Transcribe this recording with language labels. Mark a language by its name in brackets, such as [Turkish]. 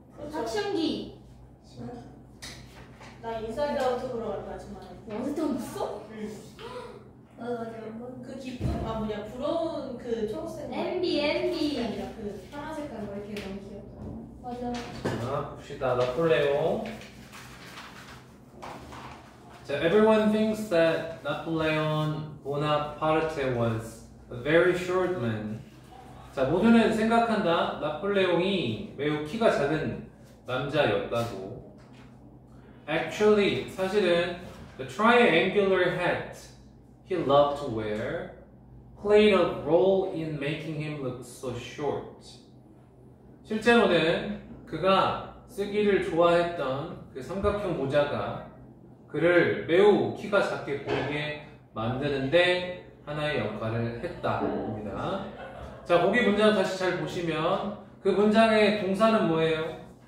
[Korean] 사춘기. 나 인사이드 아웃으로 갈까지만 했어. 언제 또 웃어? 응. 나도 맞아. 그 기쁜 아 뭐냐 부러운 그 초록색 MB 그 파란색깔 이렇게 너무 귀엽다. 맞아. 자 봅시다. [English] 나폴레옹. 자 everyone thinks that Napoleon Bonaparte was a very short man. [Korean] 자 모두는 생각한다. 나폴레옹이 매우 키가 작은 남자였다고. [English] Actually, [Korean] 사실은 [English] the triangular hat he loved to wear played a role in making him look so short. [Korean] 실제로는 그가 쓰기를 좋아했던 그 삼각형 모자가 그를 매우 키가 작게 보이게 만드는데 하나의 역할을 했다고 봅니다. 자, 거기 문장 다시 잘 보시면 그 문장의 동사는 뭐예요?